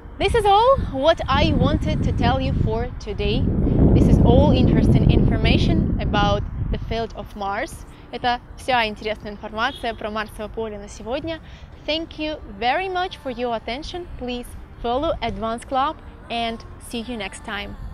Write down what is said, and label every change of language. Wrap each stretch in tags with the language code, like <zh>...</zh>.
<en>This is all what I wanted to tell you for today. This is all interesting information about the field of Mars.</en> <ru>Это вся интересная информация про Марсовое поле на сегодня.</ru> <en>Thank you very much for your attention. Please follow Advanced Club and see you next time.</en>